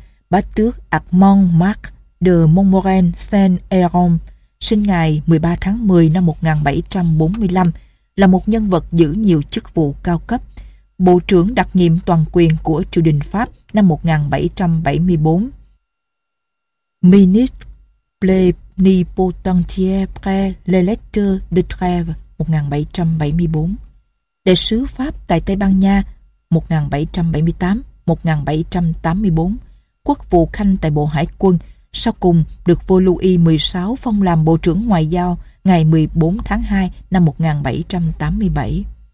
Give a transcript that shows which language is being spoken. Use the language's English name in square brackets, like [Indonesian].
[Vietnamese] Bá tước Armand Marc de Montmorin Saint-Aaron, sinh ngày 13 tháng 10 năm 1745, là một nhân vật giữ nhiều chức vụ cao cấp. Bộ trưởng đặc nhiệm toàn quyền của triều đình Pháp năm 1774. [French] Ministre plénipotentiaire près les lettres de Trèves 1774. [Vietnamese] Đại sứ Pháp tại Tây Ban Nha 1778-1784. Quốc vụ khanh tại Bộ Hải quân, sau cùng được vua Louis XVI phong làm Bộ trưởng Ngoại giao ngày 14 tháng 2 năm 1787.